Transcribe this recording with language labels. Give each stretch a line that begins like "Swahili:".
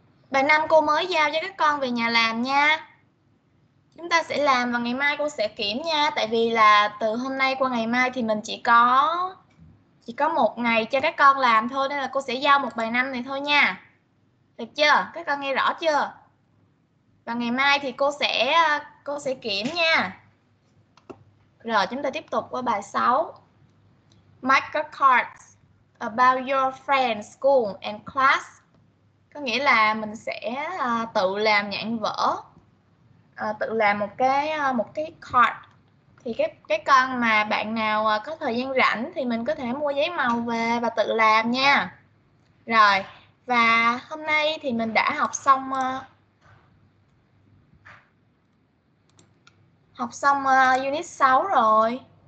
Vietnamese: Bài 5 cô mới giao cho các con về nhà làm nha. Chúng ta sẽ làm và ngày mai cô sẽ kiểm nha, tại vì là từ hôm nay qua ngày mai thì mình chỉ có một ngày cho các con làm thôi, nên là cô sẽ giao một bài 5 này thôi nha. Được chưa? Các con nghe rõ chưa? Và ngày mai thì cô sẽ kiểm nha. Rồi chúng ta tiếp tục qua bài 6.
English: Make a card about your friend's school and class.
Vietnamese: Có nghĩa là mình sẽ tự làm nhãn vỡ, tự làm một cái card. Thì cái con mà bạn nào có thời gian rảnh thì mình có thể mua giấy màu về và tự làm nha. Rồi, và hôm nay thì mình đã học xong unit 6 rồi.